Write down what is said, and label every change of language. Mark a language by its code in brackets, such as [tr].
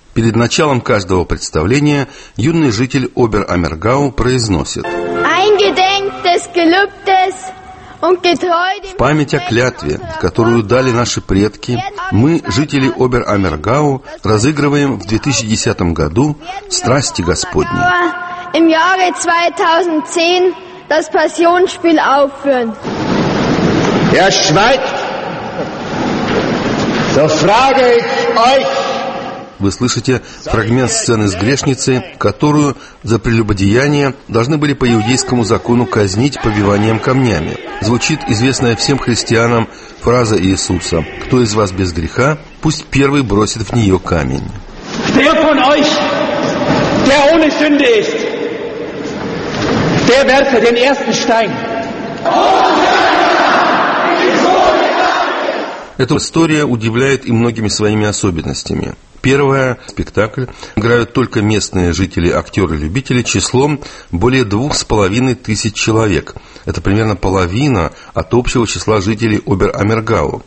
[ru] Перед началом каждого представления юный житель Обер-Аммергау произносит: «В память о клятве, которую дали наши предки, мы, жители Обер-Аммергау, разыгрываем в 2010 году страсти Господни». В 2010 году «Страсти Господни» [de] Ihr schweigt, so frage ich euch. [ru] Вы слышите фрагмент сцены с грешницей, которую за прелюбодеяние должны были по иудейскому закону казнить побиванием камнями. Звучит известная всем христианам фраза Иисуса: «Кто из вас без греха, пусть первый бросит в нее камень». [de] Der von euch, der ohne Sünde ist, der werfe den ersten Stein. [ru] Эта история удивляет и многими своими особенностями. Первое, спектакль играют только местные жители, актеры-любители, числом более 2500 человек. Это примерно половина от общего числа жителей Обер-Аммергау.